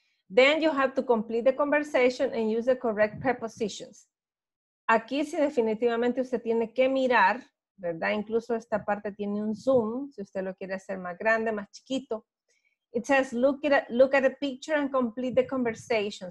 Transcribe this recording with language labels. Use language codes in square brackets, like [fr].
[en] Then you have to complete the conversation and use the correct prepositions. [es] Aquí sí definitivamente usted tiene que mirar, ¿verdad? Incluso esta parte tiene un zoom, si usted lo quiere hacer más grande, más chiquito. [en] It says, look at the picture and complete the conversation.